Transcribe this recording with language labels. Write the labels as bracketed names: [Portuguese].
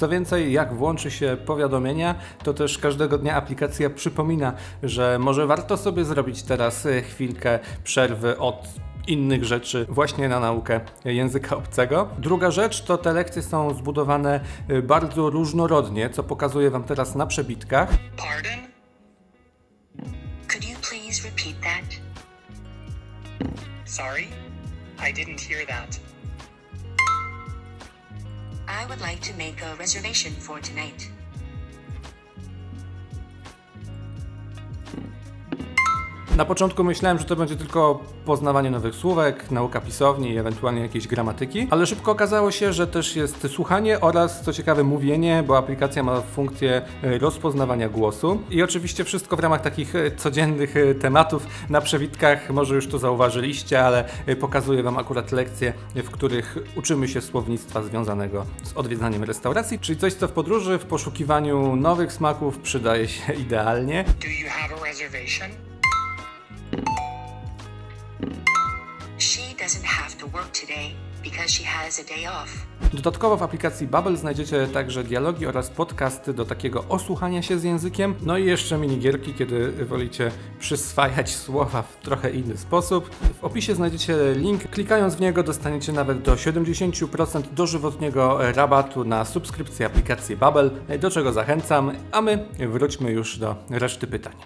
[Polish] Co więcej, jak włączy się powiadomienia, to też każdego dnia aplikacja przypomina, że może warto sobie zrobić teraz chwilkę przerwy od innych rzeczy właśnie na naukę języka obcego. Druga rzecz to te lekcje są zbudowane bardzo różnorodnie, co pokazuję wam teraz na przebitkach. [English] Pardon? Could you please repeat that? Sorry, I didn't hear that. I would like to make a reservation for tonight. [Polish] Na początku myślałem, że to będzie tylko poznawanie nowych słówek, nauka pisowni i ewentualnie jakiejś gramatyki, ale szybko okazało się, że też jest słuchanie oraz, co ciekawe, mówienie, bo aplikacja ma funkcję rozpoznawania głosu. I oczywiście wszystko w ramach takich codziennych tematów. Na przewidkach może już to zauważyliście, ale pokazuję Wam akurat lekcje, w których uczymy się słownictwa związanego z odwiedzaniem restauracji, czyli coś, co w podróży, w poszukiwaniu nowych smaków przydaje się idealnie. [English] Do you have a reservation? She doesn't have to work today because she has a day off. [Polish] Dodatkowo w aplikacji Babbel znajdziecie także dialogi oraz podcasty do takiego osłuchania się z językiem. No i jeszcze minigierki, kiedy wolicie przyswajać słowa w trochę inny sposób. W opisie znajdziecie link, klikając w niego dostaniecie nawet do 70% dożywotniego rabatu na subskrypcję aplikacji Babbel, do czego zachęcam, a my wróćmy już do reszty pytań.